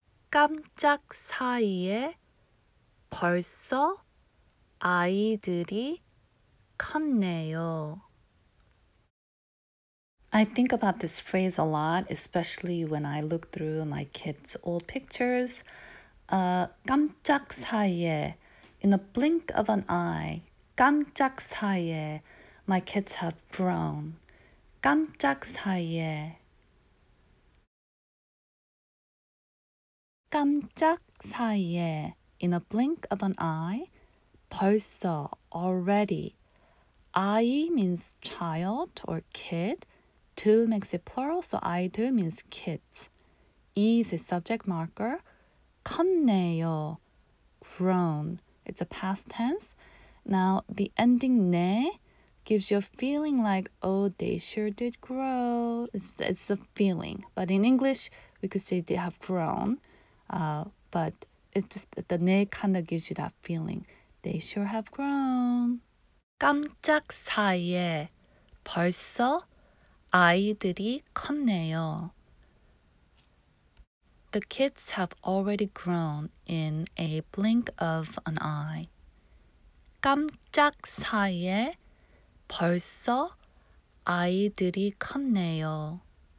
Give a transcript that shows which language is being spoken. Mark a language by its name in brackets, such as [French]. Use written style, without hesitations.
[Korean] 깜짝 사이에 벌써 아이들이 컸네요. [English] I think about this phrase a lot, especially when I look through my kids' old pictures. [Korean] 깜짝 사이에, [English] in a blink of an eye, 깜짝 사이에, my kids have grown. [Korean] 깜짝 사이에. 깜짝 사이에, [English] in a blink of an eye, [Korean] 벌써, [English] already. 아이 means child or kid. 들 makes it plural, so 아이들 means kids. 이 is a subject marker. 컸네요, grown. It's a past tense. Now, the ending 네 gives you a feeling like, oh, they sure did grow. It's a feeling. But in English, we could say they have grown. But it's just the 네 kind of gives you that feeling. They sure have grown. [Korean] 깜짝 사이에 벌써 아이들이 컸네요. [English] The kids have already grown in a blink of an eye. [Korean] 깜짝 사이에 벌써 아이들이 컸네요.